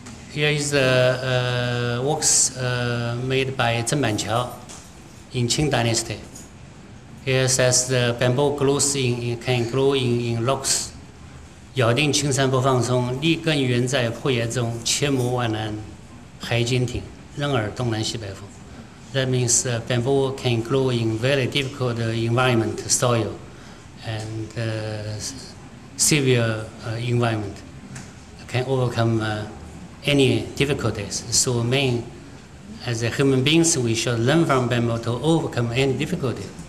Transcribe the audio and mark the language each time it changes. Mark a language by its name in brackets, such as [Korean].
[English] Here is the works made by Chen Manqiao in Qing Dynasty. Here says the bamboo grows can grow in rocks. [Chinese] 咬定青山不放松，立根原在破叶中，切磨万难，还坚挺，任尔东南西北风。 [English] That means bamboo can grow in very difficult environment, soil, and severe environment. Can overcome any difficulties. So man, as a human beings, we should learn from bamboo to overcome any difficulty.